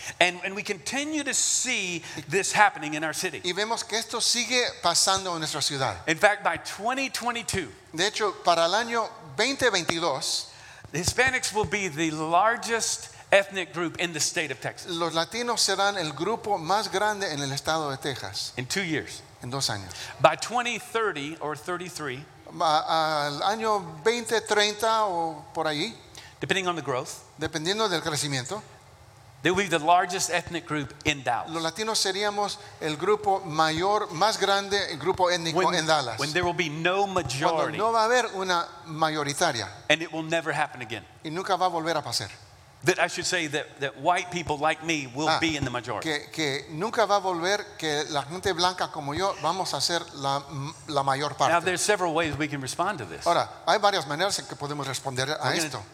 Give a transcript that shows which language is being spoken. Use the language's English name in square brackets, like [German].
[English] And we continue to see this happening in our city. [Spanish] Y vemos que esto sigue pasando en nuestra ciudad. [English] In fact, by 2022. [Spanish] De hecho, para el año 2022, [English] Hispanics will be the largest ethnic group in the state of Texas. [Spanish] Los latinos serán el grupo más grande en el estado de Texas. [English] In 2 years. [Spanish] En dos años. [English] By 2030 or 33. [Spanish] Al año 2030 o por allí. [English] Depending on the growth. [Spanish] Dependiendo del crecimiento. [English] They will be the largest ethnic group in Dallas. [Spanish] Los latinos seríamos el grupo mayor, más grande grupo étnico en Dallas. [English] When there will be no majority. [Spanish] Cuando no va a haber una mayoritaria. [English] And it will never happen again. [Spanish] Y nunca va a volver a pasar. [English] That I should say that white people like me will be in the majority. [Spanish] Que nunca va a volver que la gente blanca como yo vamos a ser la mayor parte. [English] Now there are several ways we can respond to this. [Spanish] Ahora, hay varias maneras en que podemos responder a esto.